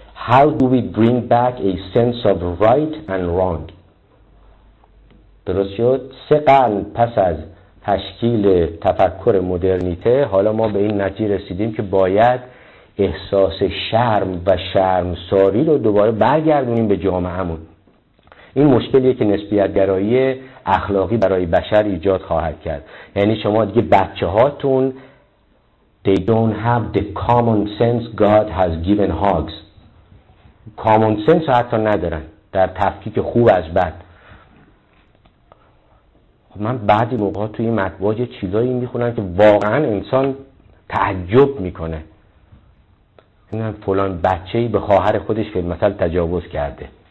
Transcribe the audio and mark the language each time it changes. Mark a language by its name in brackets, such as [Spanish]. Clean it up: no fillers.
[English] How do we bring back a sense of right and wrong؟ [Persian] درست شد؟ 3 قرن پس از تشکیل تفکر مدرنیته، حالا ما به این نتیجه رسیدیم که باید احساس شرم و شرمساری رو دوباره برگردونیم به جامعهمون. این مشکلیه که نسبیت‌گرایی اخلاقی برای بشر ایجاد خواهد کرد. یعنی شما دیگه بچه هاتون [English] they don't have the common sense God has given hogs. [Persian] common sense حتی ندارن در تفکیک خوب از بد. من بعضی موقع توی مطبوعات یه چیزایی میخونم که واقعا انسان تعجب میکنه. اینم فلان بچه‌ای به خواهر خودش فی المثل تجاوز کرده.